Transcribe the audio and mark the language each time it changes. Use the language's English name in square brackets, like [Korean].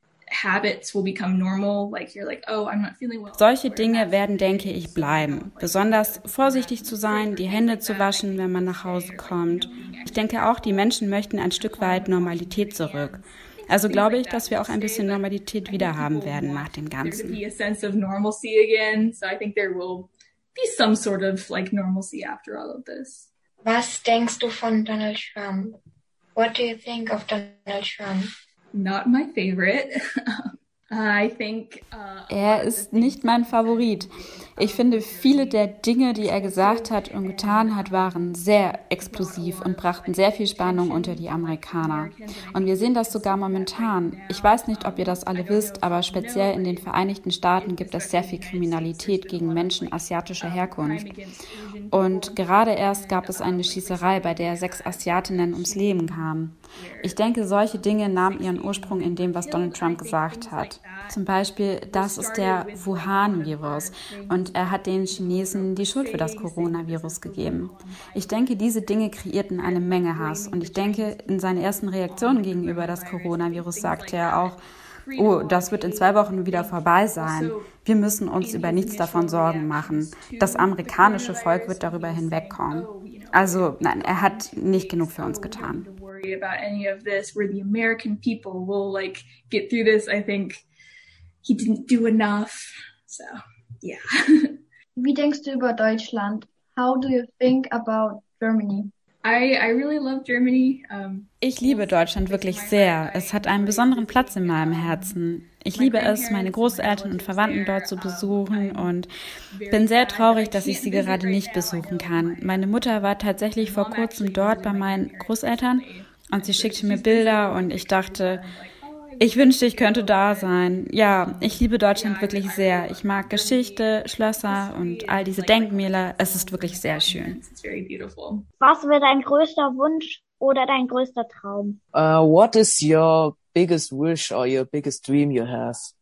[English] Habits will become normal, like you're like, oh, I'm not feeling well. [German] Solche Dinge werden, denke ich, bleiben. Besonders vorsichtig zu sein, die Hände zu waschen, wenn man nach Hause kommt. Ich denke auch, die Menschen möchten ein Stück weit Normalität zurück. Also glaube ich, dass wir auch ein bisschen Normalität wiederhaben werden nach dem Ganzen. [English] There will be a sense of normalcy again. So I think there will be some sort of like normalcy after all of this. [German] Was denkst du von Donald Trump? [English] What do you think of Donald Trump? Not my favorite. I think [German] er ist nicht mein Favorit. Ich finde, viele der Dinge, die er gesagt hat und getan hat, waren sehr explosiv und brachten sehr viel Spannung unter die Amerikaner. Und wir sehen das sogar momentan. Ich weiß nicht, ob ihr das alle wisst, aber speziell in den Vereinigten Staaten gibt es sehr viel Kriminalität gegen Menschen asiatischer Herkunft. Und gerade erst gab es eine Schießerei, bei der 6 Asiatinnen ums Leben kamen. Ich denke, solche Dinge nahmen ihren Ursprung in dem, was Donald Trump gesagt hat. Zum Beispiel, das ist der Wuhan-Virus und er hat den Chinesen die Schuld für das Coronavirus gegeben. Ich denke, diese Dinge kreierten eine Menge Hass und ich denke, in seinen ersten Reaktionen gegenüber das Coronavirus sagte er auch, oh, das wird in 2 Wochen wieder vorbei sein. Wir müssen uns über nichts davon Sorgen machen. Das amerikanische Volk wird darüber hinwegkommen. Also, nein, er hat nicht genug für uns getan. [English] About any of this, where the American people will like get through this. I think he didn't do enough. So, yeah. [German] Wie denkst du über Deutschland? [English] How do you think about Germany? I really love Germany. [German] Ich liebe Deutschland wirklich sehr. Es hat einen besonderen Platz in meinem Herzen. Ich liebe es, meine Großeltern und Verwandten dort zu besuchen und bin sehr traurig, dass ich sie gerade nicht besuchen kann. Meine Mutter war tatsächlich vor kurzem dort bei meinen Großeltern und sie schickte mir Bilder und ich dachte, ich wünschte, ich könnte da sein. Ja, ich liebe Deutschland wirklich sehr. Ich mag Geschichte, Schlösser und all diese Denkmäler. Es ist wirklich sehr schön. Was wäre dein größter Wunsch oder dein größter Traum? [English] What is your biggest wish or your biggest dream you have?